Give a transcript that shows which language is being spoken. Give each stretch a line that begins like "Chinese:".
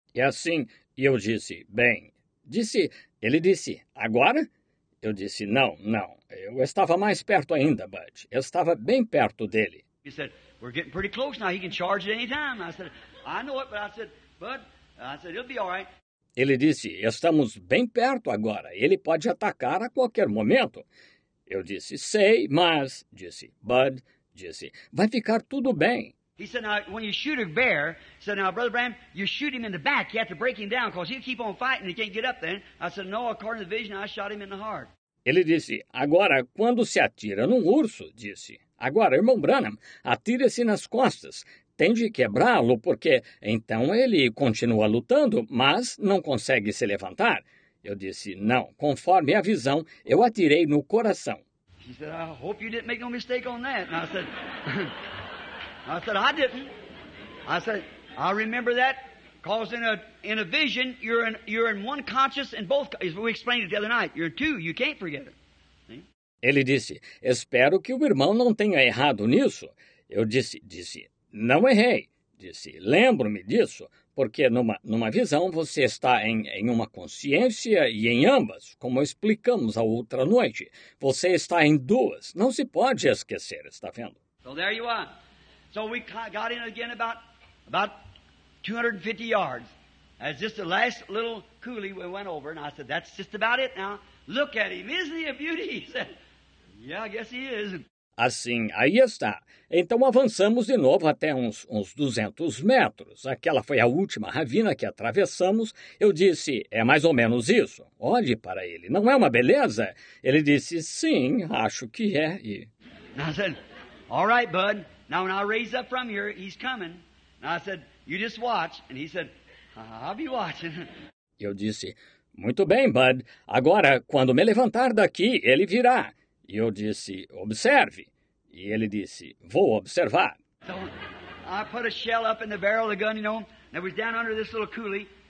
Portuguese: E assim, eu disse, bem, disse, ele disse, agora? Eu disse, não, eu estava mais perto ainda, Bud, eu estava bem perto dele.
English: He said, we're getting pretty close now, he can charge at any time. I said, I know it, but I said, Bud, I said, it'll be all right.
Portuguese: Ele disse, estamos bem perto agora, ele pode atacar a qualquer momento. Eu disse, sei, mas, disse, Bud, disse, vai ficar tudo bem.
English: He said, now, when you shoot a bear, he said, now, Brother Bram, you shoot him in the back, you have to break him down, because he'll keep on fighting, he can't get up then. I said, no, according to the vision, I shot him in the heart.
Portuguese: Ele disse, agora, quando se atira num urso, disse, agora, irmão Branham, atire-se nas costas, tem de quebrá-lo, porque, então, ele continua lutando, mas não consegue se levantar. Eu disse, não, conforme a visão, eu atirei no coração.
English: He said, I hope you didn't make no mistake on that. And I said, I didn't. I said, I remember that, because in a vision, you're in one conscious and both, as we explained it the other night, you're in two, you can't forget it.
Portuguese: Ele disse, espero que o irmão não tenha errado nisso. Eu disse, não errei. Disse, lembro-me disso. Porque numa visão você está em uma consciência e em ambas, como explicamos a outra noite. Você está em duas. Não se pode esquecer, está vendo?
English: So there you are. So we got in again about 250 yards. As just the last little coulee we went over, and I said, that's just about it now. Look at him, isn't he a beauty? He said, yeah, I guess he is.
Portuguese: Assim, aí está. Então avançamos de novo até uns 200 metros. Aquela foi a última ravina que atravessamos. Eu disse, é mais ou menos isso. Olhe para ele, não é uma beleza? Ele disse, sim, acho que é. E...
English: I said, all right, bud. Now when I raise up from here, he's coming. And I said, you just watch. And he said, I'll be watching.
Portuguese: Eu disse, muito bem, bud. Agora, quando me levantar daqui, ele virá. E eu disse, observe. E ele disse, vou observar.
English: So, I put a shell up in the barrel of the gun, you know, and it was down under this little coulee.